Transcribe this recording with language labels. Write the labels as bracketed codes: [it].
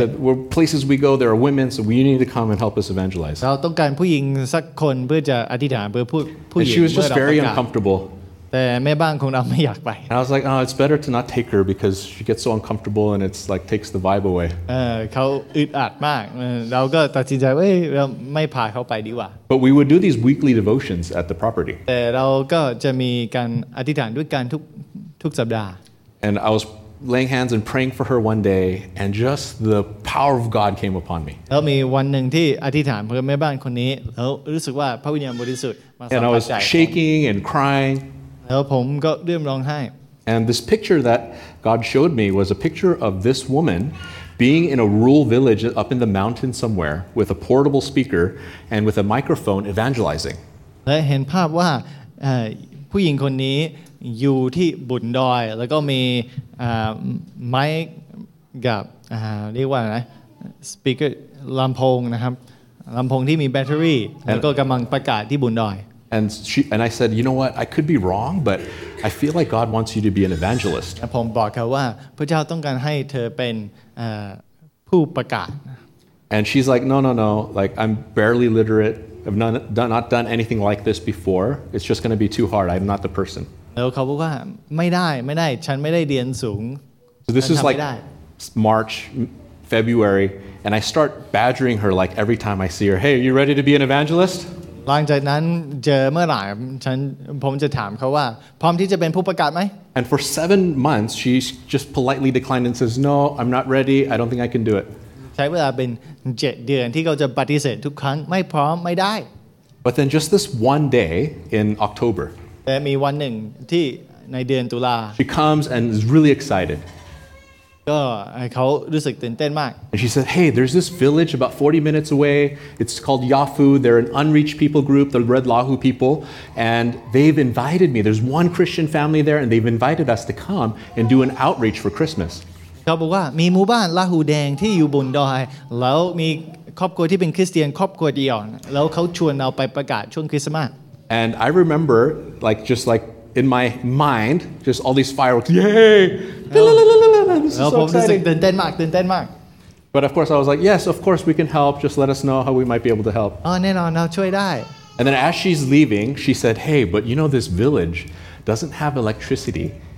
[en] The places we go there are women so we need to come and help us evangelize [th] เราต้องการผู้หญิงสักคนเพื่อจะอธิษฐานเพื่อผู้หญิง [en] She was just very uncomfortable [th] แต่แม่บ้านของเราไม่อยากไป [en] I was like oh it's better to not take her because she gets so uncomfortable and it's like takes the vibe away [th] เขาอึดอัดมากเราก็ตัดสินใจว่าไม่พาเขาไปดีกว่า [en] But we would do these weekly devotions at the property [th] แต่เราก็จะมีการอธิษฐานด้วยกันทุกสัปดาห์ [en] And I was laying hands and praying for her one day and just the power of God came upon me. [th] แล้วมีวันนึงที่อธิษฐานเพื่อแม่บ้านคนนี้แล้วรู้สึกว่าพระวิญญาณบริสุทธิ์มาสัมผัสใจ [en] And I was shaking and crying. [th] แล้วผมก็เริ่มร้องไห้ [en] And this picture that God showed me was a picture of this woman being in a rural village up in the mountain somewhere with a portable speaker and with a microphone evangelizing. [th] และเห็นภาพว่าผู้หญิงคนนี้อยู่ที่บุญดอยแล้วก็มีไมค์กับเรียกว่าไง speaker ลำโพงนะครับลำโพงที่มีแบตเตอรี่แล้วก็กำลังประกาศที่บุญดอย [en] And she and I said, you know what? I could be wrong, but I feel like God wants you to be an evangelist. [th] ผมบอกเขาว่าพระเจ้าต้องการให้เธอเป็นผู้ประกาศ [en] And she's like, no. Like I'm barely literate. I've not done anything like this before. It's just going to be too hard. I'm not the person. [th] แล้วเขาบอกว่าไม่ได้ฉันไม่ได้เรียนสูง [en] So this is like March, February, and I start badgering her like every time I see her. Hey, are you ready to be an evangelist? [th] หลังจากนั้นเจอเมื่อไหร่ผมจะถามเขาว่าพร้อมที่จะเป็นผู้ประกาศไหม [en] And for 7 months, she just politely declined and says, "No, I'm not ready. I don't think I can do it." [th] ใช้เวลาเป็น7 เดือนที่เขาจะปฏิเสธทุกครั้งไม่พร้อมไม่ได้ [en] But then just this one day in October, [th] แต่มีวันหนึ่งที่ในเดือนตุลา [en] she comes and is really excited. [th] ก็เขารู้สึกตื่นเต้นมาก [en] And she said, "Hey, there's this village about 40 minutes away. It's called Yafu. They're an unreached people group, the Red Lahu people, and they've invited me. There's one Christian family there, and they've invited us to come and do an outreach for Christmas." [th] เขาบอกว่ามีหมู่บ้านลาหูแดงที่อยู่บนดอยแล้วมีครอบครัวที่เป็นคริสเตียนครอบครัวเดียวแล้วเขาชวนเราไปประกาศช่วงคริสต์มาส [en] And I remember, like, just like. In my mind, just all these fireworks, yay! This is so exciting. But of course, I was like, yes, of course we can help. Just let us know how we might be able to help. And then as she's leaving, she said, hey, but you know this village doesn't have electricity.